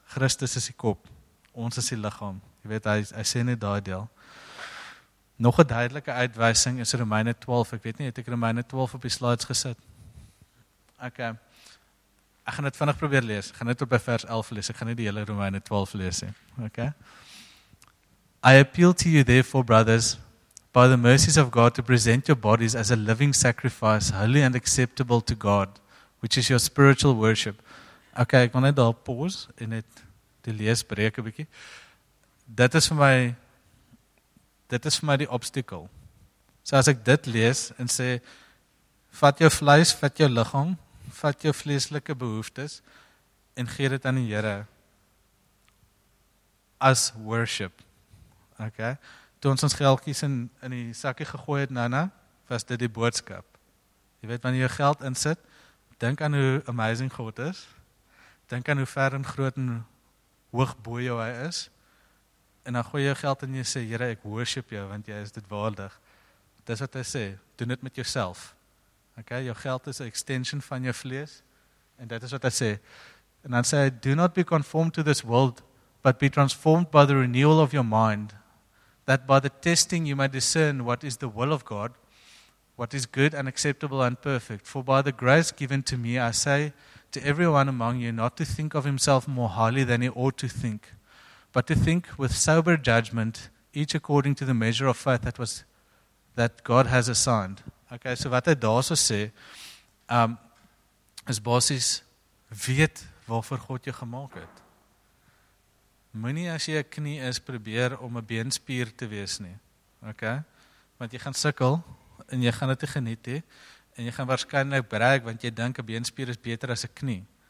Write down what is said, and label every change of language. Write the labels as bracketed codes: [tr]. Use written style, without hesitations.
[af] Christus is die kop, ons is die liggaam. Jy weet, hy sê net daai deel. Nog 'n duidelike uitwysing is Romeine 12. Ek weet nie, het ek Romeine 12 op die slides gesit? Okay. Ek gaan dit vinnig probeer lees. Ek gaan net op by vers 11 lees. Ek gaan nie die hele Romeine 12 lees nie. Okay. [en] I appeal to you therefore, brothers, by the mercies of God, to present your bodies as a living sacrifice, holy and acceptable to God, which is your spiritual worship. [af] Okay, ek wil net daar pause en net die lees breek 'n bietjie. Dit is vir my die obstacle. So as ek dit lees en sê, vat jou vleis, vat jou liggaam, vat jou vleeslike behoeftes en gee dit aan die Here as worship. Okay. Toe ons ons geldkies in die sakkie gegooi het, Nana, was dit die boodskap. Jy weet, wanneer jy jou geld insit, dink aan hoe amazing God is. Dink aan hoe ver en groot en hoog bo jou hy is. En dan gooi jy jou geld in en jy sê, Here, ek worship jou, want jy is dit waardig. Dis wat hy sê, doen dit met jouself. Okay, jou geld is 'n extension van jou vlees. En dit is wat hy sê. [en] En dan sê hy, do not be conformed to this world, but be transformed by the renewal of your mind, that by the testing you may discern what is the will of God, what is good and acceptable and perfect. For by the grace given to me, I say to everyone among you not to think of himself more highly than he ought to think, but to think with sober judgment, each according to the measure of faith that God has assigned. [af] Okay, so wat hy daarso sê, is basies, weet waarvoor God jou gemaak het. Moenie as jy 'n knie is, probeer om 'n beenspier te wees nie. Okay, want jy gaan sukkel, en jy gaan dit nie geniet hê, en jy gaan waarskynlik breek, want jy dink 'n beenspier is beter as 'n knie.